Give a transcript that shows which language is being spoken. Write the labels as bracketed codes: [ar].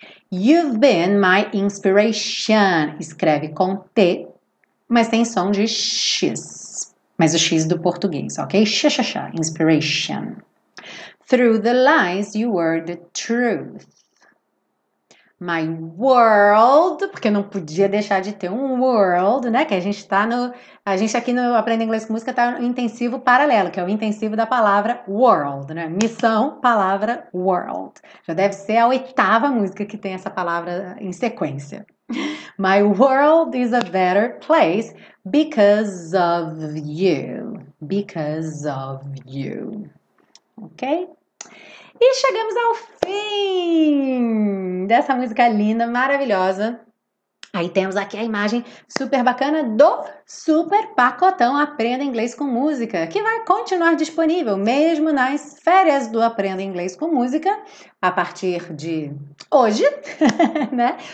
[en] You've been my inspiration, [pt] escreve com T, mas tem som de X, mas o X do português, ok? Xaxaxa, inspiration. [en] Through the lies, you were the truth. My world, [pt] porque não podia deixar de ter um world, né? Que a gente tá no... A gente aqui no Aprenda Inglês com Música tá no intensivo paralelo, que é o intensivo da palavra world, né? Missão, palavra, world. Já deve ser a oitava música que tem essa palavra em sequência. [en] My world is a better place because of you. Because of you. [pt] Ok? E chegamos ao fim dessa música linda, maravilhosa. Aí temos aqui a imagem super bacana do super pacotão Aprenda Inglês com Música, que vai continuar disponível mesmo nas férias do Aprenda Inglês com Música, a partir de hoje, né?